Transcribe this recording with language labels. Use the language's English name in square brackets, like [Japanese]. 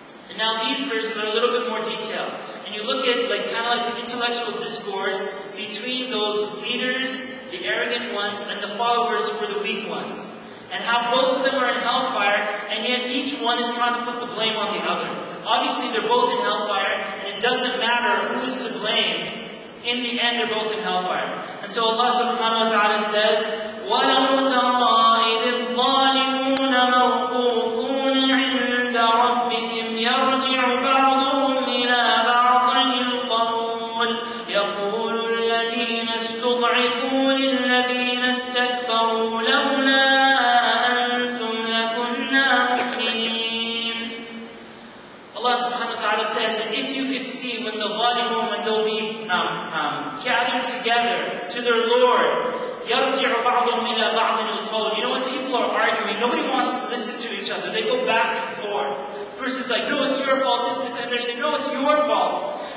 [English] And now these verses are a little bit more detailed. And you look at like kind of like the intellectual discourse between those leaders, the arrogant ones, and the followers who are the weak ones. And how both of them are in Hellfire, and yet each one is trying to put the blame on the other. Obviously they're both in Hellfire, and it doesn't matter who is to blame. In the end, they're both in Hellfire. And so Allah subhanahu wa ta'ala says, [Arabic] وَلَوْ تَرَىٰ إِذِ الظَّالِمُونَ مَوْقُوفُونَ عِنْدَ رَبِّهِمْ يَرْجِعُ بَعْضُهُمْ إِلَىٰ بَعْضٍ الْقَوْلِ يَقُولُ الَّذِينَ اسْتُضْعِفُوا لِلَّذِينَ اسْتَكْبَرُوا لَوْلَا أَنْتُمْ لَكُنَّا مُؤْمِنِينَ. [English] Allah subhanahu wa ta'ala says, and if you could see when the ظَالِمُونَ, when they'll be gathered together to their Lord, [Arabic] يَرْجِعُ بَعْضُهُمْ إِلَىٰ بَعْضٍ الْقَوْلِ. [English] You know when people are arguing, nobody wants to listen to each other. They go back and forth. The person's like, no, it's your fault, this, and they're saying, no, it's your fault.